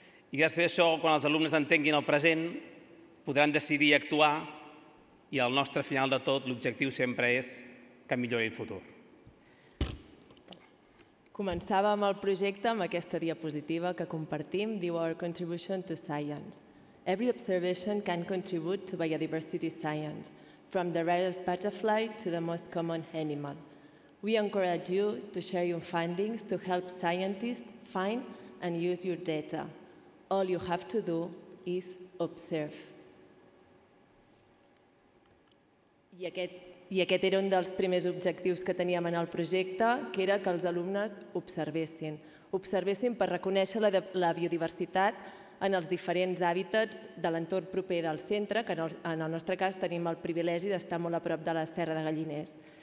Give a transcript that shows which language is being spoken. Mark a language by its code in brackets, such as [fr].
[ca] I gràcies a això, quan els alumnes entenguin el present, podran decidir actuar i el nostre final de tot, l'objectiu sempre és que millori el futur. Començava amb el projecte, amb aquesta diapositiva que compartim, diu Our Contribution to Science. [en] Every observation can contribute to biodiversity science, from the rarest butterfly to the most common animal. We encourage you to share your findings to help scientists find and use your data. All you have to do is observe. [ca] I aquest era un dels primers objectius que teníem en el projecte, que era que els alumnes observessin. Observessin per reconèixer la biodiversitat en els diferents hàbitats de l'entorn proper del centre, que en el nostre cas tenim el privilegi d'estar molt a prop de la Serra de Galliners.